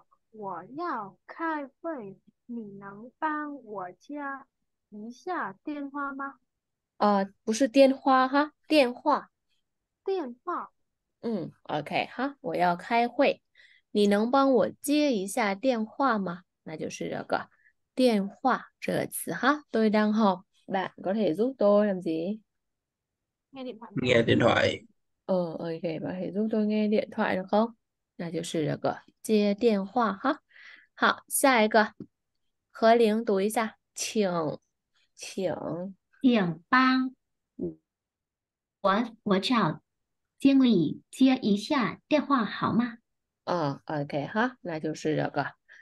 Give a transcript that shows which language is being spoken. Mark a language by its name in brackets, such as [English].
[Chinese] 我要开会，你能帮我加一下电话吗？不是电话哈，电话。电话。 OK 哈，我要开会，你能帮我接一下电话吗？那就是这个电话这个词哈。 [Vietnamese] Tôi đang học. Bạn có thể giúp tôi làm gì? Nghe điện thoại. OK. Bạn có thể giúp tôi nghe điện thoại được không? Nó chính là cái [Chinese] 接电话哈。好，下一个，何玲读一下，请。请帮我找经理接一下电话好吗？ OK 哈，那就是这个。